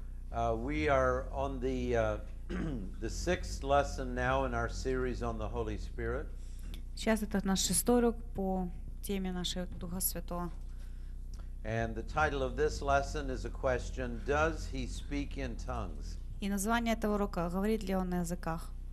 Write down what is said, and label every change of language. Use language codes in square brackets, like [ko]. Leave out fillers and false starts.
[en] We are on the sixth lesson now in our series on the Holy Spirit. [ru] Сейчас это наш шестой урок по теме нашего Духа Святого. [en] And the title of this lesson is a question: Does He speak in tongues? [ru] И название этого урока: Говорит ли Он на языках?